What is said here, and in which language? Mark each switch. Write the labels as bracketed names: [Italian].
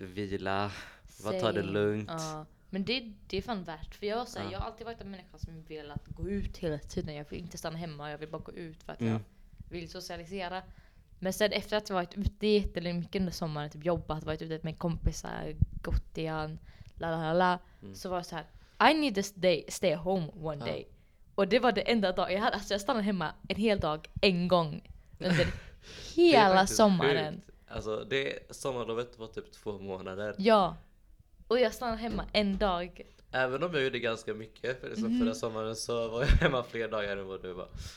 [Swedish] Vila. Vad tar det lugnt. Ja. Men det är fan värt. För jag, såhär, jag har alltid varit en människa som vill att gå ut hela tiden. Jag vill inte stanna hemma. Jag vill bara gå ut för att jag vill socialisera. Men sen efter att jag varit ute jättelänge mycket under sommaren. Typ jobbat, varit ute med kompisar, gått igen, lalala. Mm. Så var det såhär, [English] I need to stay home one day. [Swedish] Och det var det enda dag. Jag stannade hemma en hel dag, en gång. Under hela sommaren. Sjukt. Alltså det sommarlovet var typ 2 månader. Ja. Och jag stannade hemma en dag. Även om jag gjorde ganska mycket. För liksom förra sommaren så var jag hemma fler dagar än vad du var.